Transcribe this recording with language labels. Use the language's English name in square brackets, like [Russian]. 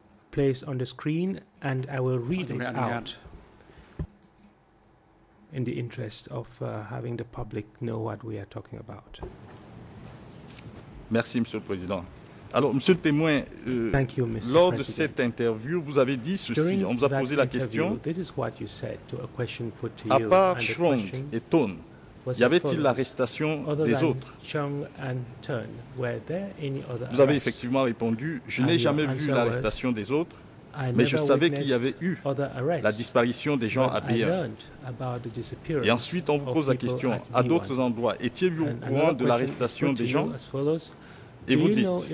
[English] Place on the screen and I will read it out in the interest of having the public know what we are talking about. [French] Merci, Monsieur le Président. Alors, Monsieur le témoin, lors de cette interview, vous avez dit ceci. [English] During [French] on vous a posé la question. [English] This is what you said to a question put to [French] à [English] you, [French] part Chung et Thun, y avait-il l'arrestation des autres? [English] Chung and Thun, were there any other arrests? [French] Vous avez effectivement répondu, je n'ai jamais vu l'arrestation des autres, mais je savais qu'il y avait eu la disparition des gens à Béa. Et ensuite, on vous pose la question, à d'autres endroits, étiez-vous au courant de l'arrestation des gens? Et vous dites,